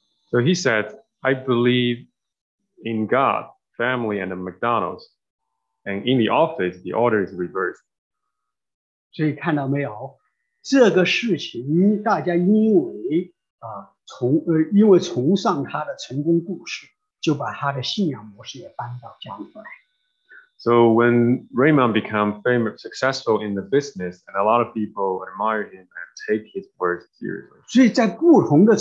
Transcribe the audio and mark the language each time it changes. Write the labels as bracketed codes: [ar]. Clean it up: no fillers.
[en] So he said, "I believe in God, family, and the McDonald's, and in the office, the order is reversed." [zh] 所以看到没有？这个事情大家因为崇尚他的成功故事，就把他的信仰模式也搬到家里来。So [en] when Raymond became famous, successful in the business, and a lot of people admire him and take his words seriously.